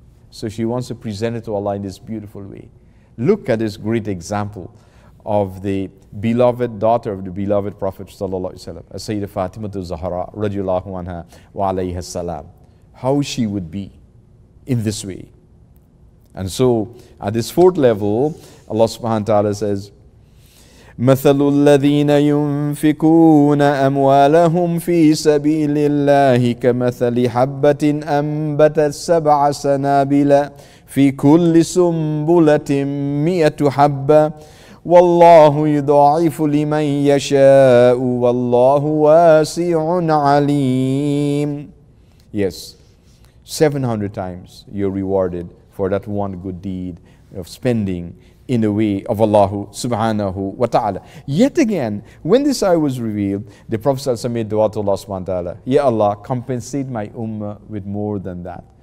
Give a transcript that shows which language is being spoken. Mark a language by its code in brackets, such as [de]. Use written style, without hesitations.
[en] So she wants to present it to Allah in this beautiful way. Look at this great example of the beloved daughter of the beloved Prophet sallallahu alaihi wasallam, Sayyidah Fatima az-Zahra radiyallahu anha wa alayha salam, how she would be in this way. And so at this fourth level, Allah subhanahu wa ta'ala says, [ar] مثل الذين ينفقون أموالهم في سبيل الله كمثل حبة أنبتت سبع سنابل في كل سنبلة مئة حبة والله يضاعف لمن يشاء والله واسع عليم. [en] Yes, 700 times you're rewarded for that one good deed of spending in the way of Allah subhanahu wa ta'ala. Yet again, when this ayah was revealed, the Prophet ﷺ made dua to Allah subhanahu wa ta'ala, Ya Allah, compensate my ummah with more than that.